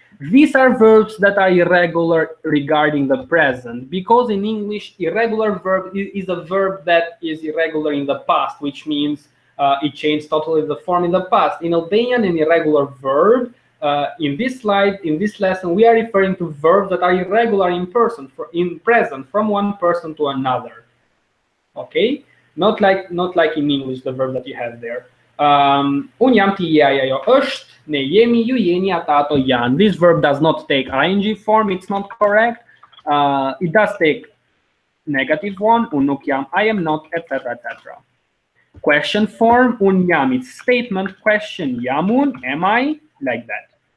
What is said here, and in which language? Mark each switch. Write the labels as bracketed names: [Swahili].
[English] These are verbs that are irregular regarding the present, because in English, irregular verb is a verb that is irregular in the past, which means it changed totally the form in the past. In Albanian, an irregular verb, in this lesson, we are referring to verbs that are irregular in person, in present, from one person to another. Okay? Not like in English, the verb that you have there. [Albanian] Un jam ti je ajo është, ne jemi, ju jeni, ata ato janë. [English] This verb does not take ing form, it's not correct. It does take negative one, [Albanian] un nuk jam, [English] I am not, etc., etc. Question form, [Albanian] un jam, [English] it's statement, question, [Albanian] jam un, [English] am I, like that.